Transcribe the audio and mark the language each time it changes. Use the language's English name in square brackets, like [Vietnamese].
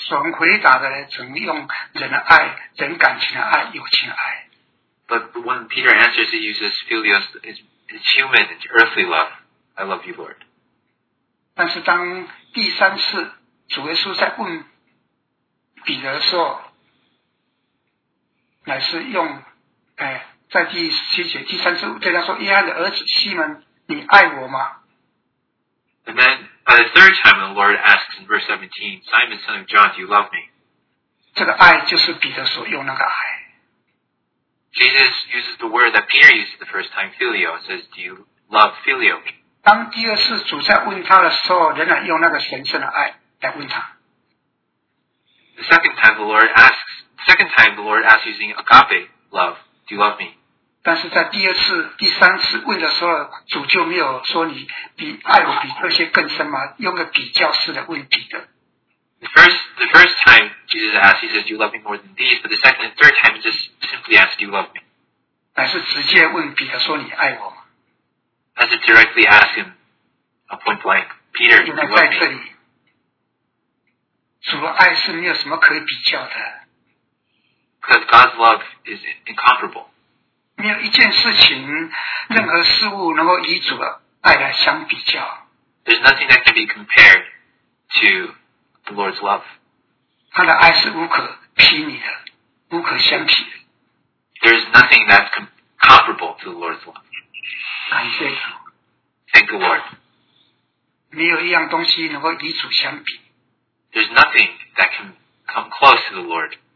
[Chinese] 从回答的人曾用人的爱、人感情的爱、友情的爱。 [English] But when Peter answers, he uses filios, it's human, it's earthly love. I love you, Lord. [Chinese] 但是当第三次主耶稣在问彼得的时候，乃是用在第七节第三次对他说：“约翰的儿子西门，你爱我吗？” [English] And then by the third time, the Lord asks in verse 17, "Simon, son of John, do you love me?" [Chinese] 这个爱就是彼得所用那个爱。 [English] Jesus uses the word that Peter used the first time, filio, and says, do you love filio? [Chinese] 当第二次主在问他的时候，仍然用那个神圣的爱来问他。 [English] The second time the Lord asks using agape love, do you love me? [Chinese] 但是在第二次、第三次问的时候，主就没有说你比爱我比这些更深吗？用个比较式的问题的。 [English] The first time Jesus asks, he says, do you love me more than these? But the second and third time, he just simply asks, do you love me? [Chinese] 乃是直接问彼得说你爱我吗？ [English] As to directly ask him, a point blank, Peter, do you love me? [Chinese] 在这里，主的爱是没有什么可以比较的。 [English] Because God's love is incomparable. [Chinese] 没有一件事情，任何事物能够与主的爱来相比较。 [English] There's nothing that can be compared to the Lord's love. [Chinese] 他的爱是无可匹敌的，无可相匹的。 [English] There is nothing that's comparable to the Lord's love. [Chinese] 感谢主。 [English] Thank the Lord. [Chinese] 没有一样东西能够与主相比。 [English] There's nothing that can come close to the Lord.